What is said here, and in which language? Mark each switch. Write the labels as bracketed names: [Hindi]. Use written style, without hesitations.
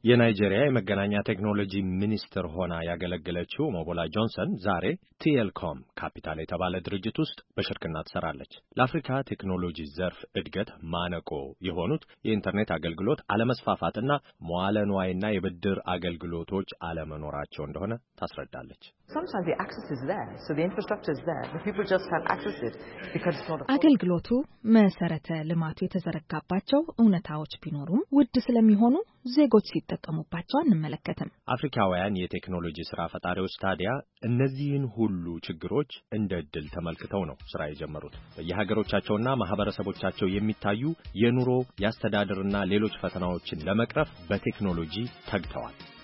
[Amharic] የናይጄሪያ የመገናኛ ቴክኖሎጂ ሚኒስትር ሆና ያገለገለችው ሞቦላ ጆንሰን ዛሬ TLCOM ካፒታል የተባለ ድርጅት ውስጥ በሽርክና ትሰራለች። ለአፍሪካ ቴክኖሎጂ ዘርፍ እድገት ማነቆ የሆኑት የኢንተርኔት አገልግሎት አለመስፋፋትና መዋለ ንዋይና የብድር አገልግሎቶች አለመኖራቸው እንደሆነ ታስረዳለች። [English] Sometimes the access is there, so the infrastructure is there, but people just can't access it because it's not [Amharic] አገልግሎቱ መሰረተ ልማቱ የተዘረጋባቸው እውነታዎች ቢኖሩም ውድ ስለሚሆኑ ዜጎች ሲጠቀሙባቸው አንመለከተም። አፍሪካውያን የቴክኖሎጂ ስራ ፈጣሪዎች ታዲያ እነዚህን ሁሉ ችግሮች እንደ እድል ተመልክተው ነው ስራ የጀመሩት። በየሀገሮቻቸውና ማህበረሰቦቻቸው የሚታዩ የኑሮ ያስተዳደርና ሌሎች ፈተናዎችን ለመቅረፍ በቴክኖሎጂ ተግተዋል።